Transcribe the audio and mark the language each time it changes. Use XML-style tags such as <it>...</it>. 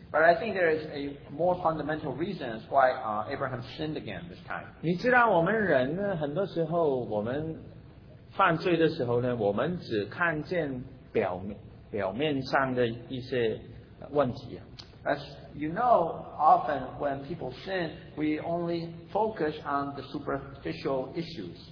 <en>But I think there is a more fundamental reason why Abraham sinned again this time.</en> <zh>你知道我们人呢，很多时候我们犯罪的时候呢，我们只看见表面上的一些问题。</zh> <en>As you know, often when people sin, we only focus on the superficial issues.</en>